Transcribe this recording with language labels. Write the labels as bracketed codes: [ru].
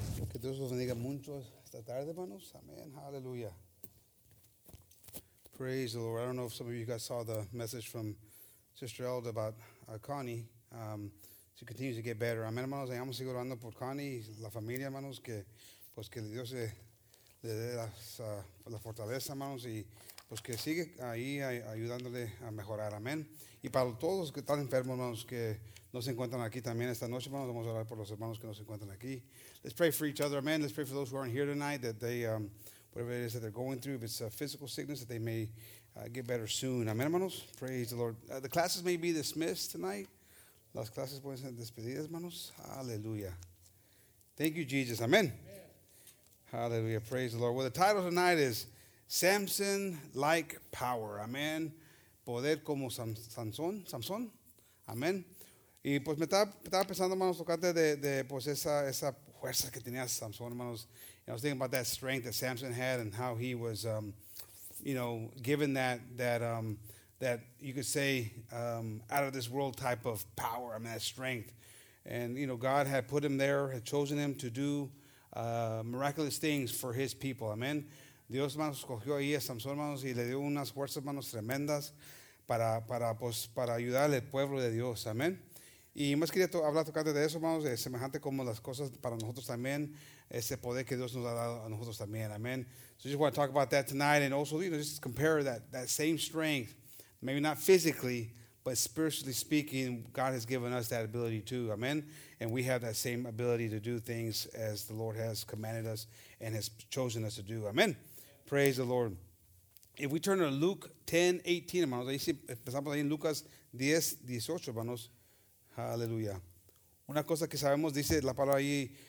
[es] Que Dios los bendiga mucho esta tarde, hermanos. [en] Amen. Hallelujah. Praise the Lord. I don't know if some of you guys saw the message from Sister Elda about Connie. She continues to get better. [es] Amen, hermanos. Vamos a seguir orando por Connie y la familia, hermanos. Que pues que Dios le dé la fortaleza, hermanos. Y pues que sigue ahí ayudándole a mejorar. Amen. Y para todos que están enfermos, hermanos, que no se encuentran aquí también esta noche, hermanos, vamos a orar por los hermanos que no se encuentran aquí. [en] Let's pray for each other, amen. Let's pray for those who aren't here tonight, that they, whatever it is that they're going through, if it's a physical sickness, that they may get better soon. Amen, hermanos. Praise the Lord. The classes may be dismissed tonight. [es] Las clases pueden ser despedidas, hermanos. [en] Hallelujah. Thank you, Jesus. Amen. Amen. Hallelujah. Praise the Lord. Well, the title tonight is Samson-like power. [es] Amen. Poder como Samson. Samson. Amen. Y pues me estaba pensando, hermanos, tocante de pues esa fuerza que tenía Samson, hermanos. [en] And I was thinking about that strength that Samson had and how he was, given that you could say out of this world type of power. I mean, that strength. And, you know, God had put him there, had chosen him to do miraculous things for his people. Amen. [es] Dios, hermanos, escogió ahí a Samson, hermanos, y le dio unas fuerzas, hermanos, tremendas para ayudar al pueblo de Dios. Amen. Y más quería hablar tocante de eso, hermanos, de semejante como las cosas para nosotros también, ese poder que Dios nos ha dado a nosotros también. Amen. [en] So just want to talk about that tonight and also, you know, just compare that same strength, maybe not physically, but spiritually speaking, God has given us that ability too. Amen. And we have that same ability to do things as the Lord has commanded us and has chosen us to do. Amen. Praise the Lord. If we turn to Luke 10, 18, [es] hermanos, ahí sí, empezamos ahí en Lucas 10, 18, hermanos. Hallelujah. Una cosa que sabemos, dice la palabra ahí.